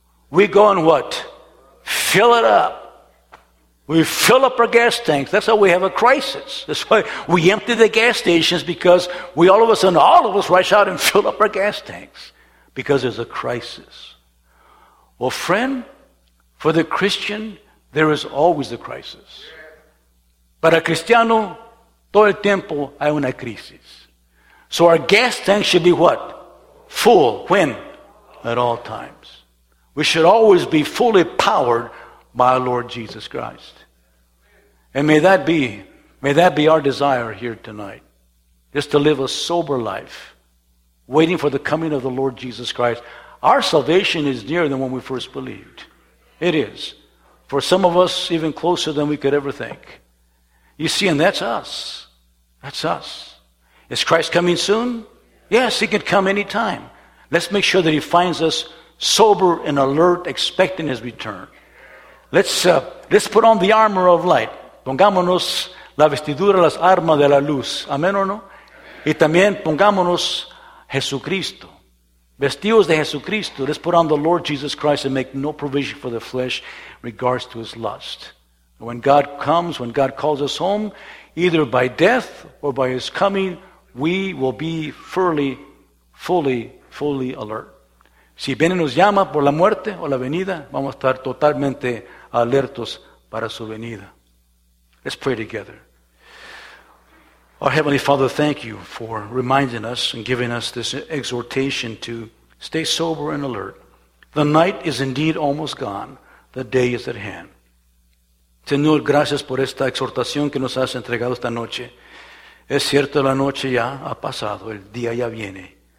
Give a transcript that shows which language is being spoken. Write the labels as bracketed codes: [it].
[en] We go and what? Fill it up. We fill up our gas tanks. That's how we have a crisis. That's why we empty the gas stations, because we all of us rush out and fill up our gas tanks. Because there's a crisis. Well, friend, for the Christian, there is always a crisis. [es] Para cristiano, todo el tiempo hay una crisis. [en] So our gas tank should be what? Full. When? At all times. We should always be fully powered by our Lord Jesus Christ. And may that be our desire here tonight. Just to live a sober life. waiting for the coming of the Lord Jesus Christ. Our salvation is nearer than when we first believed. It is. For some of us, even closer than we could ever think. You see, and that's us. That's us. Is Christ coming soon? Yes, he can come anytime. Let's make sure that he finds us sober and alert, expecting his return. Let's put on the armor of light. [es] Pongámonos la vestidura, las armas de la luz. Amén o no? Y también pongámonos Jesucristo. Vestidos de Jesucristo. [en] Let's put on the Lord Jesus Christ and make no provision for the flesh in regards to his lust. When God comes, when God calls us home, either by death or by his coming, we will be fully alert. [es] Si viene nos llama por la muerte o la venida, vamos a estar totalmente alertos para su venida. [en] Let's pray together. Our Heavenly Father, thank you for reminding us and giving us this exhortation to stay sober and alert. The night is indeed almost gone. The day is at hand. [es] Señor, gracias por esta exhortación que nos has entregado esta noche. Es cierto, la noche ya ha pasado, el día ya viene.